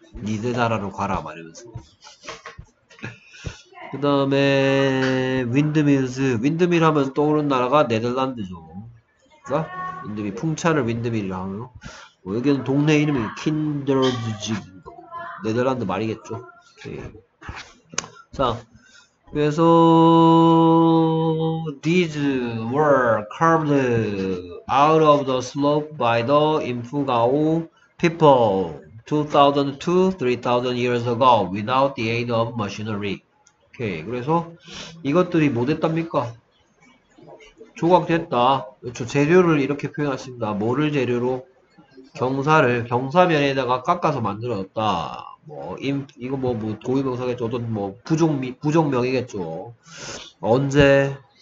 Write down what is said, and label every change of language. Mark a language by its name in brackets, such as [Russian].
[Korean] 니네 나라로 가라 말하면서. 그 다음에 윈드밀스. 윈드밀 하면 떠오르는 나라가 네덜란드죠. 그니까 윈드밀 풍차를 윈드밀이라고 하고요. 뭐 여기는 동네 이름이 킨더즈지. 네덜란드 말이겠죠. 오케이. [English] 자, 그래서 these were carved out of the slope by the Infugao people 2000 to 3000 years ago without the aid of machinery. 오케이. [Korean] 그래서 이것들이 뭐 됐답니까? 조각됐다. 그렇죠. 재료를 이렇게 표현했습니다. 뭐를 재료로? 경사면에다가 깎아서 만들었다. 뭐 이거 뭐 고유명사겠죠. 어떤 뭐 부족명이겠죠. 언제?